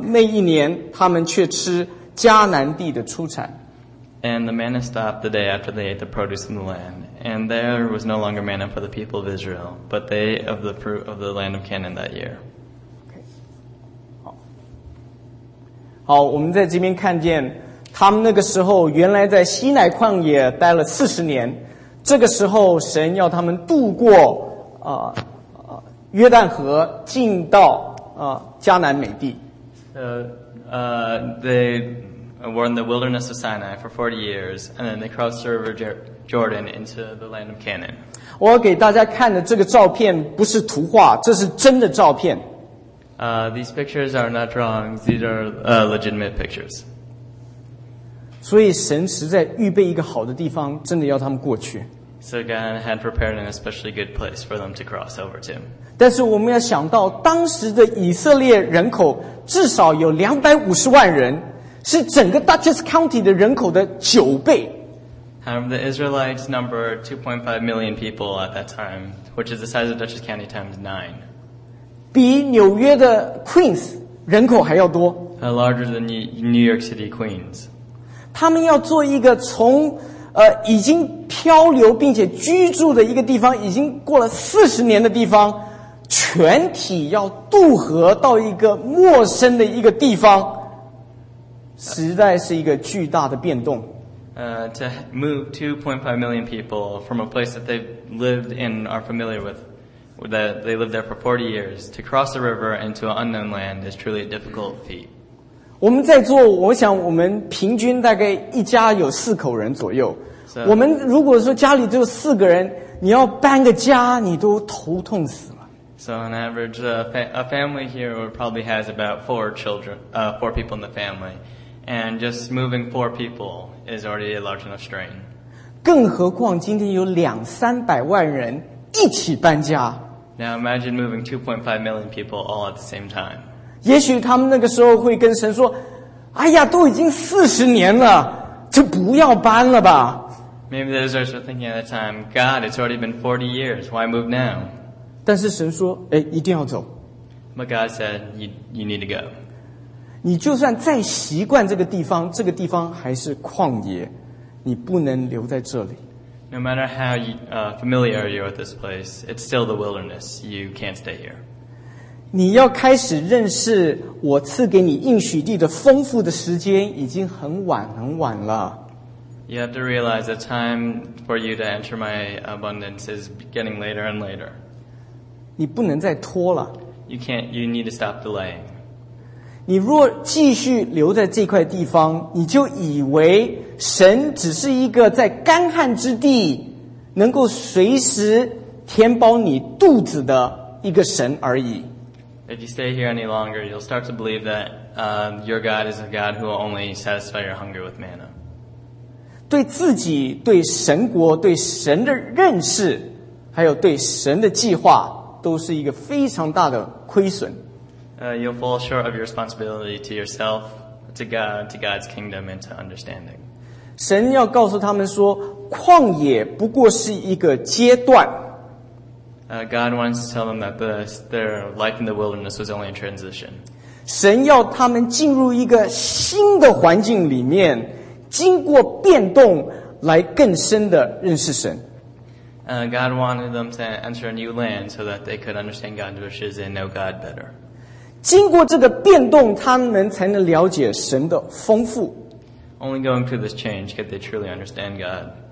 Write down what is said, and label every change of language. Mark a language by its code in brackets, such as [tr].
[zh] 那一年他们却吃迦南地的出产。 [en] And the manna stopped the day after they ate the produce in the land. And there was no longer manna for the people of Israel, but they of the fruit of the land of Canaan that year. Okay. [zh] 好，我们在这边看见，他们那个时候原来在西乃旷野待了四十年，这个时候神要他们渡过约旦河，进到迦南美地。 [en] Were in the wilderness of Sinai for 40 years, and then they crossed the river Jordan into the land of Canaan. [zh] 我给大家看的这个照片不是图画，这是真的照片。 [en] These pictures are not drawings, these are legitimate pictures. [zh] 所以神实在预备一个好的地方，真的要他们过去。 [en] So God had prepared an especially good place for them to cross over to. [zh] 但是我们要想到，当时的以色列人口至少有250万人，是整个 Dutchess County 的人口的九倍。 [en] The Israelites numbered 2.5 million people at that time, which is the size of Dutchess County times 9. [zh] 比纽约的 Queens 人口还要多。 [en] Larger than New York City Queens. [zh] 他们要做一个从已经漂流并且居住的一个地方，已经过了40年的地方，全体要渡河到一个陌生的一个地方，实在是一个巨大的变动。 [en] To move 2.5 million people from a place that they've lived in and are familiar with, that they lived there for 40 years, to cross the river into an unknown land is truly a difficult feat. [zh] 我们在座，我想我们平均大概一家有四口人左右。 So, 我们如果说家里只有四个人，你要搬个家，你都头痛死了。 [en] So on average, a family here probably has about four people in the family. And just moving four people is already a large enough strain. [zh] 更何况今天有两三百万人一起搬家。 [en] Now imagine moving 2.5 million people all at the same time. [zh] 也许他们那个时候会跟神说，哎呀，都已经40年了，就不要搬了吧。 [en] Maybe the Israelites were thinking at that time, God, it's already been 40 years, why move now? [zh] 但是神说，哎，一定要走。 [en] But God said, you need to go. [zh] 你就算再习惯这个地方，这个地方还是旷野，你不能留在这里。 [en] No matter how familiar you are with this place, it's still the wilderness, you can't stay here. [zh] 你要开始认识我赐给你应许地的丰富的时间已经很晚很晚了。 [en] You have to realize the time for you to enter my abundance is getting later and later. [zh] 你不能再拖了。 [en] You need to stop delaying. [zh] 你若继续留在这块地方，你就以为神只是一个在干旱之地能够随时填饱你肚子的一个神而已。 [en] If you stay here any longer, you'll start to believe that your God is a God who will only satisfy your hunger with manna. [zh] 对自己、对神国、对神的认识，还有对神的计划，都是一个非常大的亏损。 [en] You'll fall short of your responsibility to yourself, to God, to God's kingdom, and to understanding. [zh] 神要告诉他们说，旷野不过是一个阶段。 [en] God wants to tell them that their life in the wilderness was only a transition. [zh] 神要他们进入一个新的环境里面。经过变动来更深的认识神。 [en] God wanted them to enter a new land so that they could understand God's wishes and know God better. [zh] 经过这个变动，他们才能了解神的丰富。 [en] Only going through this change could they truly understand God.